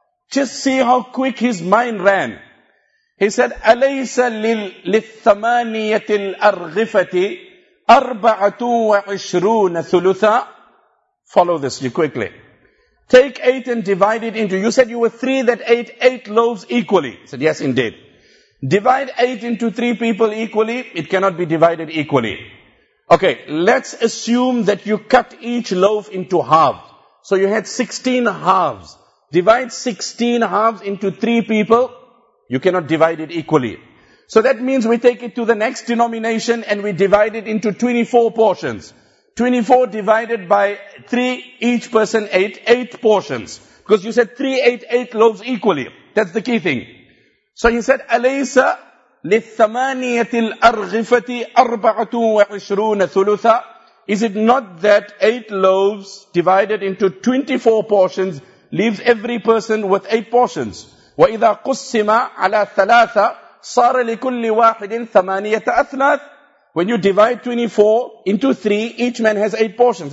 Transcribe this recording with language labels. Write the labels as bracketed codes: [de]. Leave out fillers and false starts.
[en] Just see how quick his mind ran. [ar] He said, أَلَيْسَ لِلْثَمَانِيَةِ الْأَرْغِفَةِ أَرْبَعَةُ وَعِشْرُونَ ثُلُثَ. [en] Follow this, you quickly. Take 8 and divide it into, you said you were 3 that ate 8 loaves equally. He said, yes indeed. Divide 8 into 3 people equally, it cannot be divided equally. Okay, let's assume that you cut each loaf into half. So you had 16 halves. Divide 16 halves into 3 people, you cannot divide it equally. So that means we take it to the next denomination and we divide it into 24 portions. 24 divided by 3, each person ate 8 portions. Because you said 3 ate 8 loaves equally. That's the key thing. [ar] So he said, أَلَيْسَ لِلثَّمَانِيَةِ الْأَرْغِفَةِ أَرْبَعَةُ وَعِشْرُونَ ثُلُثَ. [en] Is it not that 8 loaves divided into 24 portions leaves every person with 8 portions? [ar] وَإِذَا قُسِّمَ عَلَى ثَلَاثَ صَارَ لِكُلِّ وَاحِدٍ ثَمَانِيَةَ أَثْلَاثَ. [en] When you divide 24 into 3, each man has 8 portions.